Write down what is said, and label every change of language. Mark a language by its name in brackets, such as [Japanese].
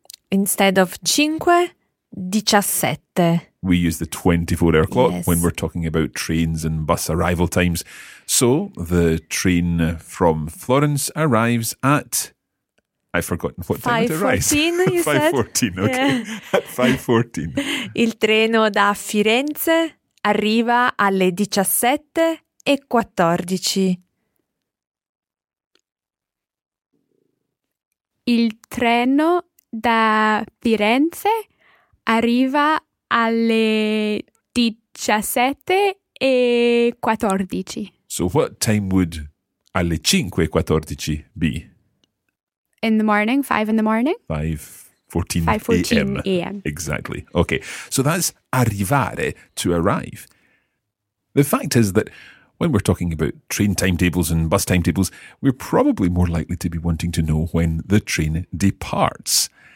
[English] Instead of 5:17. We use the 24-hour clock, yes, when we're talking about trains and bus arrival times. So the train from Florence arrives at... I've forgotten what time it arrives. 5:14, you said? 5:14, okay. Yeah. [Italian] Il treno da Firenze arriva alle 17:14. Il treno da Firenze arriva alle 17:14. [English] So what time would alle 5:14 be? In the morning, 5 in the morning? 5:14 a.m. Exactly. Okay, so that's arrivare, to arrive. The fact is that when we're talking about train timetables and bus timetables, we're probably more likely to be wanting to know when the train departs.